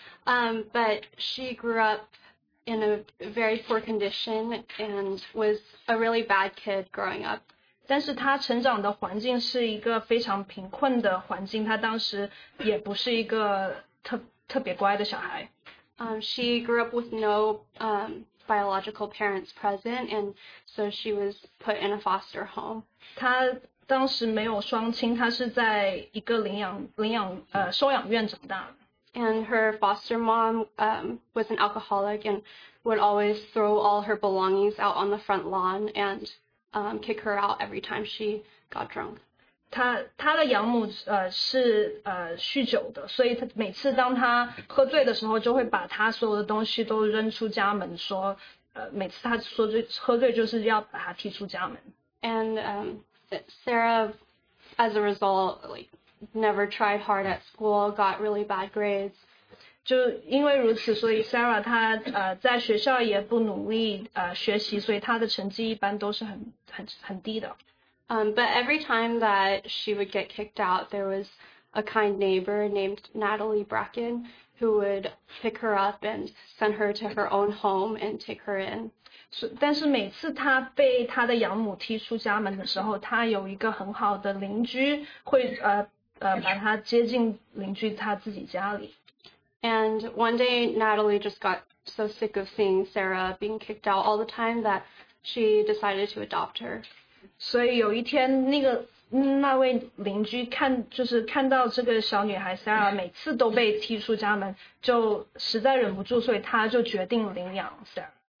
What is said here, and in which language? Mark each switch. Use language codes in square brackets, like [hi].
[en] But she grew up in a very poor condition and was a really bad kid growing up. [zh] 但是她成长的环境是一个非常贫困的环境，她当时也不是一个特别乖的小孩。 [en] She grew up with no biological parents present, and so she was put in a foster home. [zh] 她当时没有双亲，她是在一个收养院长大。 [en] And her foster mom was an alcoholic and would always throw all her belongings out on the front lawn and kick her out every time she got drunk. [zh] 她的养母是酗酒的，所以她每次当她喝醉的时候，就会把她所有的东西都扔出家门，说每次她说喝醉就是要把她踢出家门。 [en] And Sarah, as a result, never tried hard at school, got really bad grades. [zh] 就因为如此，所以 Sarah 她在学校也不努力学习，所以她的成绩一般都是很低的。 [en] But every time that she would get kicked out, there was a kind neighbor named Natalie Bracken who would pick her up and send her to her own home and take her in. [zh] 但是每次她被她的养母踢出家门的时候，她有一个很好的邻居会把她接进邻居她自己家里。 [en] And one day Natalie just got so sick of seeing Sarah being kicked out all the time that she decided to adopt her. [zh] 所以有一天那位邻居看到这个小女孩Sarah每次都被踢出家门, 就实在忍不住, 所以她就决定领养Sarah.